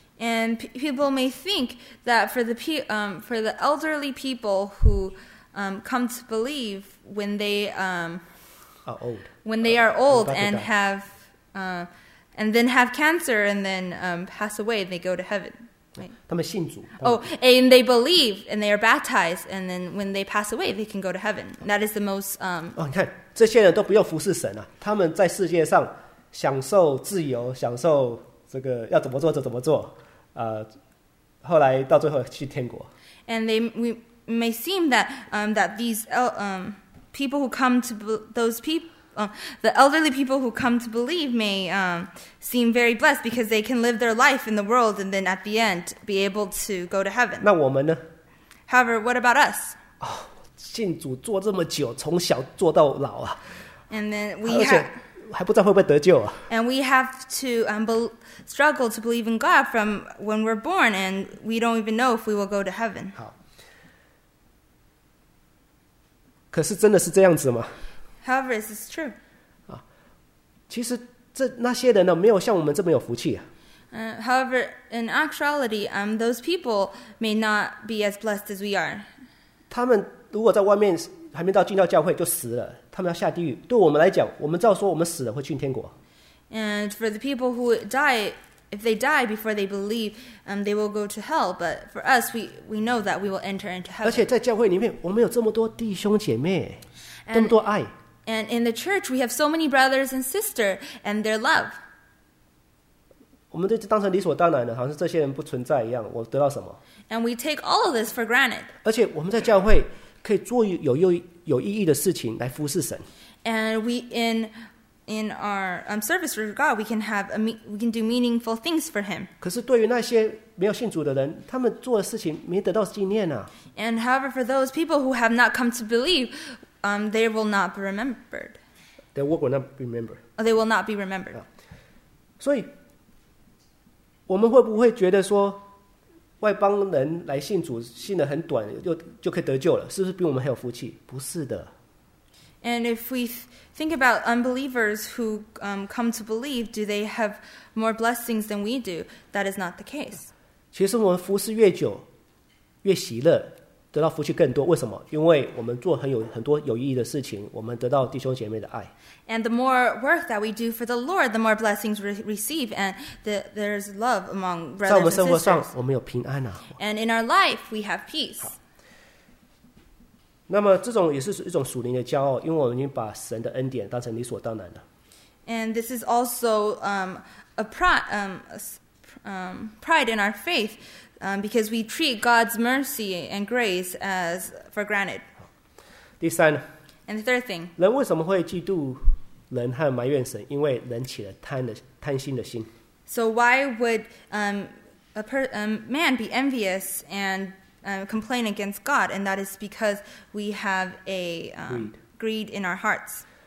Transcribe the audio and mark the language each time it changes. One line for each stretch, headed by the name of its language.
English: And people may think that for the elderly people who come to believe when they are old, when they are old and have and then have cancer and then pass away, they go to heaven. Right?
Chinese: 他们信主,
English: and they believe and they are baptized, and then when they pass away, they can go to heaven. That is the most.
Chinese: 你看，这些人都不用服侍神啊，他们在世界上享受自由，享受这个要怎么做就怎么做。
English: And they we may seem that that these people who come to those people the elderly people who come to believe may seem very blessed because they can live their life in the world and then at the end be able to go to heaven.
Chinese: 那我们呢?
English: However, what about us?
Chinese: 信主做这么久，从小做到老啊。
English: And then we have.
Chinese: 还不知道会不会得救啊?
English: And we have to struggle to believe in God from when we're born, and we don't even know if we will go to heaven.
Chinese: 好，可是真的是这样子吗?
English: However, is this true?
Chinese: 啊，其实这那些人呢，没有像我们这么有福气啊。
English: However, in actuality, those people may not be as blessed as we are.
Chinese: 他们如果在外面还没到进到教会就死了，他们要下地狱。对我们来讲，我们照说我们死了会进天国。
English: And for the people who die, if they die before they believe, they will go to hell. But for us, we know that we will enter into heaven.
Chinese: 而且在教会里面，我们有这么多弟兄姐妹，这么多爱。
English: And in the church, we have so many brothers and sisters and their love.
Chinese: 我们就当成理所当然的，好像是这些人不存在一样。我得到什么
English: ？And we take all of this for granted.
Chinese: 而且我们在教会可以做有意义的事情来服侍神。
English: And we in our service for God, we can do meaningful things for Him.
Chinese: 可是对于那些没有信主的人，他们做的事情没得到纪念啊。
English: And however, for those people who have not come to believe. They will not be remembered. Their work will not be remembered. They will not be remembered.
Chinese: 所以，我们会不会觉得说，外邦人来信主信的很短，就可以得救了？是不是比我们还有福气？不是的。
English: And if we think about unbelievers who come to believe, do they have more blessings than we do? That is not the case.
Chinese: 其实我们服侍越久，越喜乐。得到福气更多，为什么？因为我们做很多有意义的事情，我们得到弟兄姐妹的爱。
English: And the more work that we do for the Lord, the more blessings we receive, and there's love among brothers and sisters.
Chinese: 在我们生活上，我们有平安啊。
English: And in our life, we have peace.
Chinese: 那么这种也是一种属灵的骄傲，因为我们已经把神的恩典当成理所当然了。
English: And this is also pride in our faith. Because we treat God's mercy and grace as for granted.
Chinese: 第三,
English: and the third thing,
Chinese: 人为什么会嫉妒人和埋怨神？因为人起了贪心的心。
English: So why would man be envious and complain against God? And that is because we have a greed in our hearts.